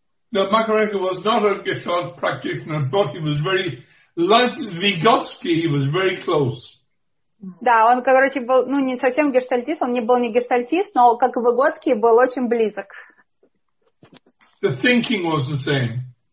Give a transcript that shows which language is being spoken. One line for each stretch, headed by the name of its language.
English: No, Makarenko was not a Gestalt practitioner, but he was very, like Vygotsky, he was very close.
Russian: Да, он, короче, был, ну, не совсем гештальтист, он не был не гештальтист, но, как и Выгодский, был очень близок.
English: The thinking was the same.